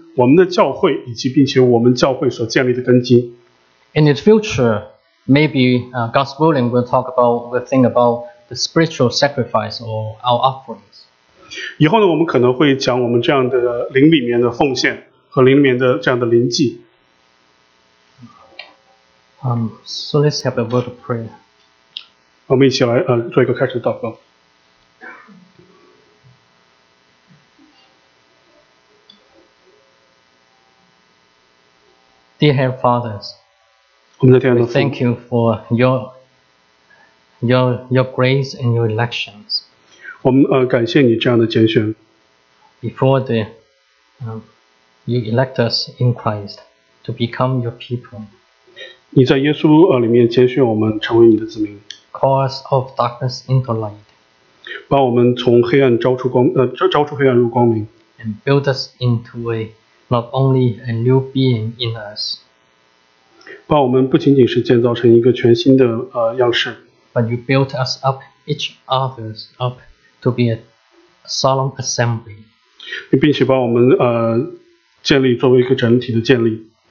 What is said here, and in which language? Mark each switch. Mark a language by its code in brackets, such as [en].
[zh] 所以我们今天的信息主要是在建立于这，跟我们刚刚看这两个彼得前书以及以弗所书上面，也就是说我们的教会以及并且我们教会所建立的根基。 [en] In the future, maybe God's willing, we'll think about the spiritual sacrifice or our offerings. [zh] 以后呢，我们可能会讲我们这样的灵里面的奉献和灵里面的这样的灵祭。 [en] So let's have a word of prayer. [zh] 我们一起来做一个开始的祷告。 [en] Dear Heavenly Father, we thank you for your grace and your elections. [zh] 我们感谢你这样的拣选。 [en] Before the you elect us in Christ to become your people. [zh] 你在耶稣里面拣选我们成为你的子民。 [en] Call us of darkness into light. [zh] 把我们从黑暗招出光，招出黑暗入光明。 [en] And build us into a not only a new being in us. [zh] 把我们不仅仅是建造成一个全新的样式。 [en] But you built us up each others up to be a solemn assembly. [zh] 并且把我们建立作为一个整体的建立。